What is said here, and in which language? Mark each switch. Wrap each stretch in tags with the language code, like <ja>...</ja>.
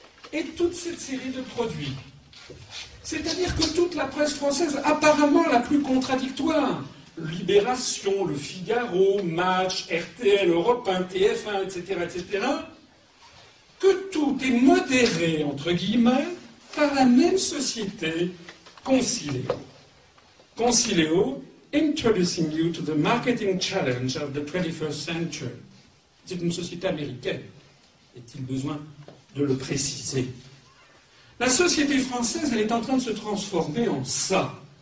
<fr>Et toute cette série de produits. C'est-à-dire que toute la presse française, apparemment la plus contradictoire, Libération, Le Figaro, Match, RTL, Europe 1, TF1, etc., etc., que tout est modéré, entre guillemets, par la même société, Concileo.</fr> <en>Concileo, Introducing you to the marketing challenge of the 21st century.</en> <fr>C'est une société américaine. Est-il besoin de le préciser? La société française, elle est en train de se transformer en ça.</fr>